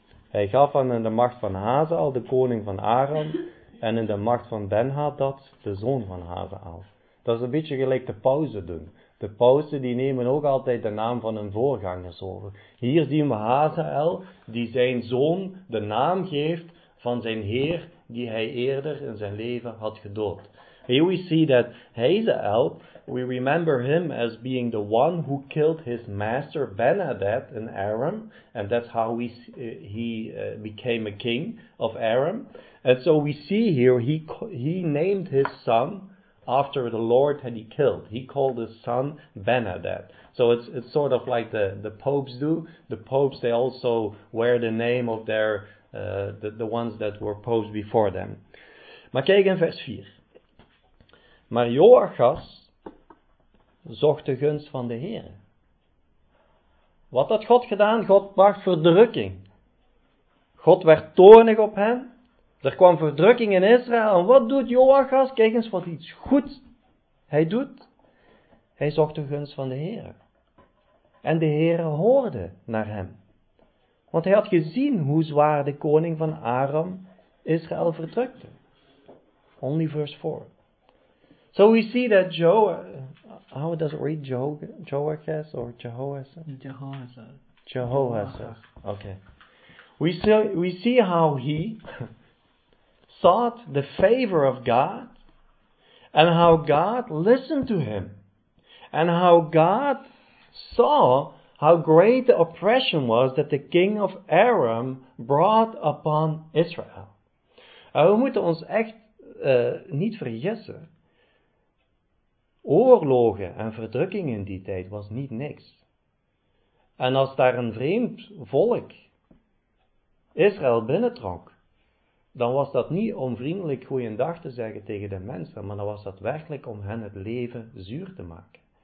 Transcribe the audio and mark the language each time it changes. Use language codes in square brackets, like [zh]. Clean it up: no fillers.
[nl] Hij gaf hem in de macht van Hazael, de koning van Aram, en in de macht van Ben-Hadad, de zoon van Hazael. Dat is een beetje gelijk de pauzen doen. De pauzen die nemen ook altijd de naam van hun voorgangers over. Hier zien we Hazael, die zijn zoon de naam geeft van zijn heer, die hij eerder in zijn leven had gedood. [en] Here we see that Hazael, we remember him as being the one who killed his master Ben-Hadad in Aram, and that's how he became a king of Aram. And so we see here he named his son after the Lord that he killed. He called his son Ben-Hadad. So it's sort of like the popes do. The popes, they also wear the name of their the ones that were popes before them. [nl] Maar kijk in vers 4. Maar Joachas zocht de gunst van de Heere. Wat had God gedaan? God bracht verdrukking. God werd toornig op hen. Er kwam verdrukking in Israël. En wat doet Joachas? Kijk eens wat iets goed hij doet. Hij zocht de gunst van de Heere. En de Heere hoorde naar hem. Want hij had gezien hoe zwaar de koning van Aram Israël verdrukte. [en] Only verse 4. So we see that how does it read? Joachas or Jehoahaz? Jehoahaz. Jehoahaz. Okay. We see how he sought the favor of God and how God listened to him and how God saw how great the oppression was that the king of Aram brought upon Israel. [nl] We moeten ons echt niet vergissen. Oorlogen en verdrukking in die tijd was niet niks. En als daar een vreemd volk Israël binnentrok, dan was dat niet om vriendelijk goeiendag te zeggen tegen de mensen, maar dan was dat werkelijk om hen het leven zuur te maken.